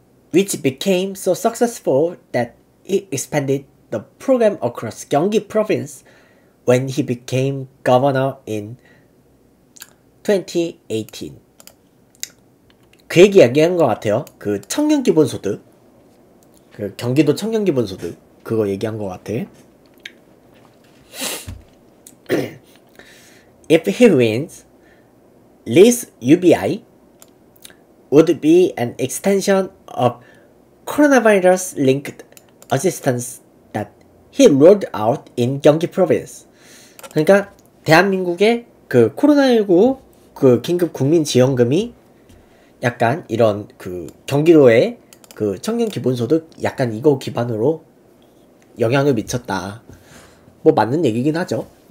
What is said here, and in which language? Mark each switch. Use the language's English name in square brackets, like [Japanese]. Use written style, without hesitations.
[English] which became so successful that he expanded the program across Gyeonggi Province when he became governor in 2018. [Korean] 그 얘기 얘기한 것 같아요. 그 청년 기본소득, 그 경기도 청년 기본소득 그거 얘기한 것 같아. [English] If he wins, this UBI would be an extension of coronavirus-linked assistance that he rolled out in Gyeonggi Province. [Korean] 그러니까 대한민국의 그 코로나19 그 긴급 국민 지원금이 약간 이런 그 경기도의 그 청년 기본소득 약간 이거 기반으로 영향을 미쳤다. 뭐 맞는 얘기긴 하죠.